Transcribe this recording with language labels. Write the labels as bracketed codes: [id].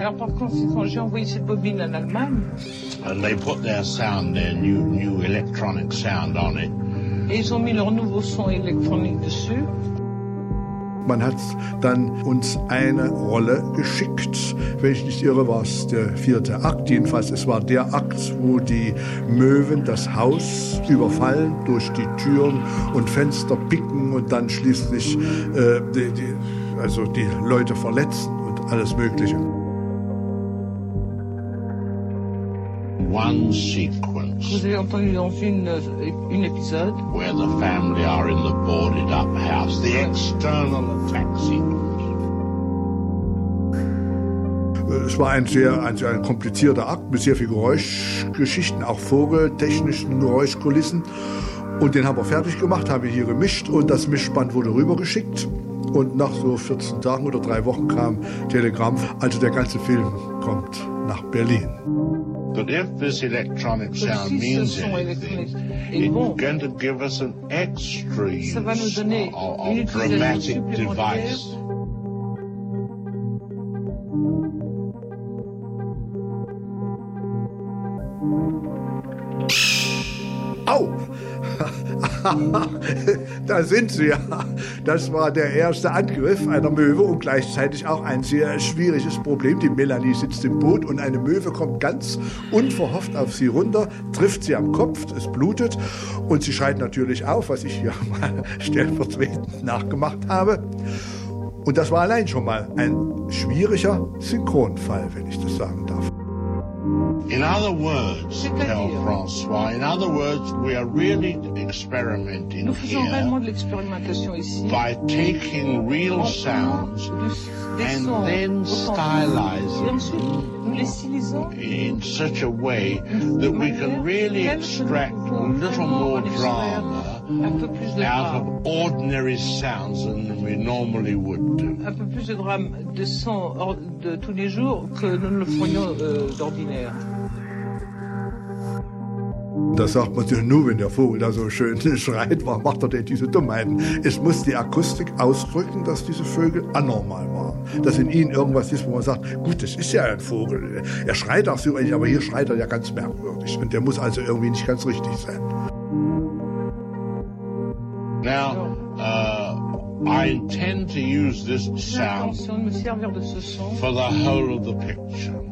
[fr] Alors par contre, quand j'ai envoyé cette bobine en Allemagne. [en] And they put their sound, their new electronic sound on it. [fr] Et ils ont mis leur nouveau son électronique dessus. [de] Man hat dann uns eine Rolle geschickt, wenn ich nicht irre, war es der vierte Akt. Jedenfalls, es war der Akt, wo die Möwen das Haus überfallen, durch die Türen und Fenster picken und dann schließlich die Leute verletzen und alles Mögliche. [en] One sequence. [fr] Vous avez entendu dans une épisode [en] where the family are in the boarded up house, the external attack sequence. [de] Es war ein sehr komplizierter Akt mit sehr viel Geräuschgeschichten, auch vogeltechnischen Geräuschkulissen. Und den haben wir fertig gemacht, haben wir hier gemischt und das Mischband wurde rübergeschickt. Und nach so 14 Tagen oder 3 Wochen kam Telegramm, also der ganze Film kommt nach Berlin. [en] But if this electronic sound means anything, it's going to give us an extra use of dramatic device. Au! [de] Da sind sie ja. Das war der erste Angriff einer Möwe und gleichzeitig auch ein sehr schwieriges Problem. Die Melanie sitzt im Boot und eine Möwe kommt ganz unverhofft auf sie runter, trifft sie am Kopf, es blutet und sie schreit natürlich auf, was ich hier mal stellvertretend nachgemacht habe. Und das war allein schon mal ein schwieriger Synchronfall, wenn ich das sagen darf. [en] In other words, tell François, in other words, we are really experimenting here by taking real sounds and then stylizing in such a way that we can really extract a little more drama out of ordinary sounds than we normally would do. [fr] Un peu plus de drame de son de tous les jours que nous le ferions d'ordinaire. [de] Das sagt man nur, wenn der Vogel da so schön schreit, warum macht er denn diese Dummheiten? Es muss die Akustik ausdrücken, dass diese Vögel anormal waren. Dass in ihnen irgendwas ist, wo man sagt, gut, das ist ja ein Vogel. Er schreit auch so, aber hier schreit er ja ganz merkwürdig. Und der muss also irgendwie nicht ganz richtig sein. [en] Now, I intend to use this sound for the whole of the picture.